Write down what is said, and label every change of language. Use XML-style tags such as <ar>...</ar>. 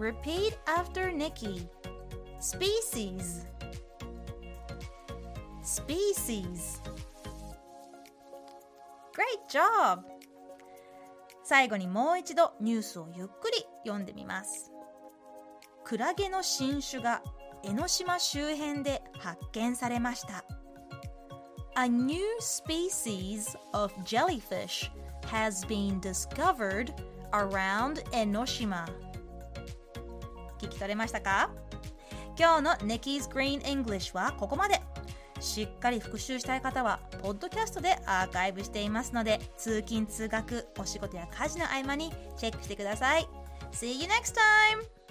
<en>Repeat after Nikki。 Species Species Great job。</en> <ja>最後にもう一度ニュースをゆっくり読んでみます。クラゲの新種が江ノ島周辺で発見されました。</ja> <en>A new species of jellyfish has been discovered around Enoshima.</en> <ja>聞き取れましたか？今日の Nikki's Green English はここまで。しっかり復習したい方はポッドキャストでアーカイブしていますので、通勤通学、お仕事や家事の合間にチェックしてください。</ja> <en>See you next time!</en>